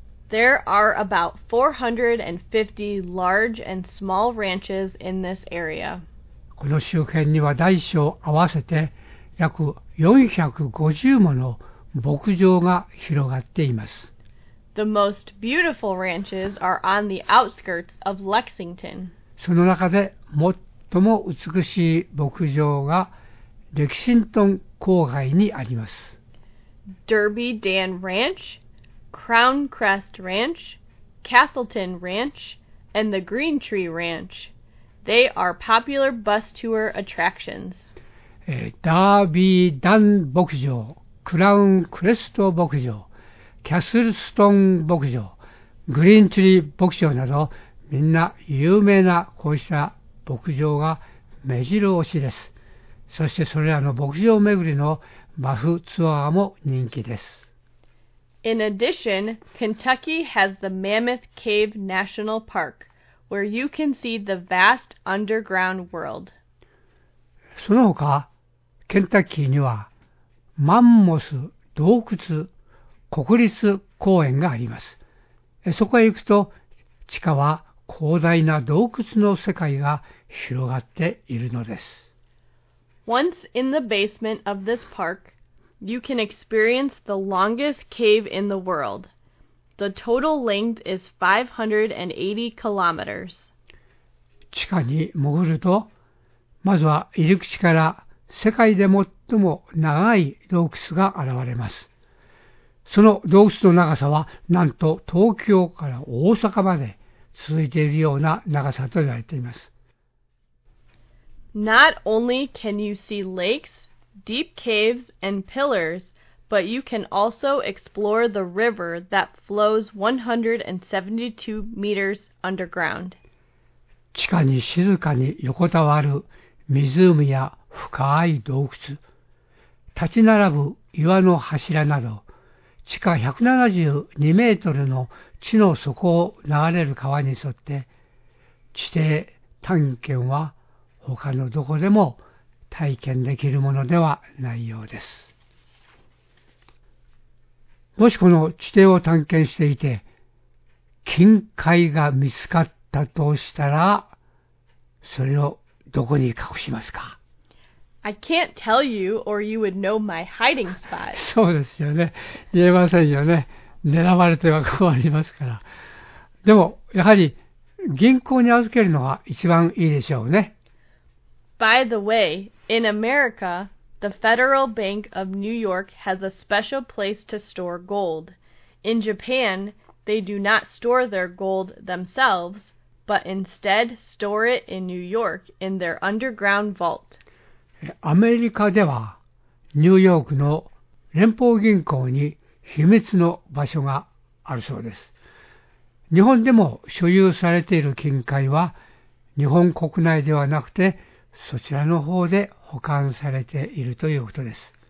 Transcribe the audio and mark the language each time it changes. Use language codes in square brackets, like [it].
[en] There are about 450 large and small ranches in this area. [ja] この周辺には大小合わせて約450もの牧場が広がっています。 [en] The most beautiful ranches are on the outskirts of Lexington. [ja] その中で最も美しい牧場がレキシントン郊外にあります。 [en] Derby Dan Ranch Crown Crest Ranch, Castleton Ranch, and the Green Tree Ranch. They are popular bus tour attractions. [ja] ダービーダン牧場、クラウンクレスト牧場、キャスルストン牧場、グリーンツリー牧場など、みんな有名なこうした牧場が目白押しです。そしてそれらの牧場巡りのバスツアーも人気です。 [en] In addition, Kentucky has the Mammoth Cave National Park, where you can see the vast underground world. [ja] その他、ケンタッキーにはマンモス洞窟国立公園があります。そこへ行くと、地下は広大な洞窟の世界が広がっているのです。 [en] Once in the basement of this park, you can experience the longest cave in the world. The total length is 580 kilometers. [ja] 地下に潜ると、まずは入り口から世界で最も長い洞窟が現れます。その洞窟の長さはなんと東京から大阪まで続いているような長さと言われています。 [en] Not only can you see lakes, deep caves and pillars, but you can also explore the river that flows 172 meters underground. [ja] 地下に静かに横たわる湖や深い洞窟、立ち並ぶ岩の柱など、地下172メートルの地の底を流れる川に沿って、地底探検は他のどこでも体験できるものではないようです。もしこの地底を探検していて、金塊が見つかったとしたら、それをどこに隠しますか? [en] I can't tell you or you would know my hiding spot. [ja] そうですよね。言えませんよね。狙われては困りますから。でも、やはり銀行に預けるのが一番いいでしょうね。 [en] By the way, in America, the Federal Bank of New York has a special place to store gold. In Japan, they do not store their gold themselves. But instead store it in New York in their underground vault. [ja] アメリカではニューヨークの連邦銀行に秘密の場所があるそうです。日本でも所有されている金塊は日本国内ではなくてそちらの方で保管されているということです。